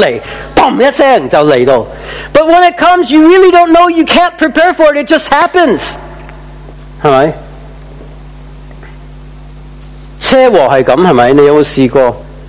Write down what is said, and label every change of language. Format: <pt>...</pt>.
<zh>但当它真的发生的时候,其实你是没办法知道,忽然之间来,砰一声就来到.</zh> <en>But when it comes, you really don't know, you can't prepare for it, it just happens.</en> <zh>是吧? 车祸是这样,你有没有试过?</zh>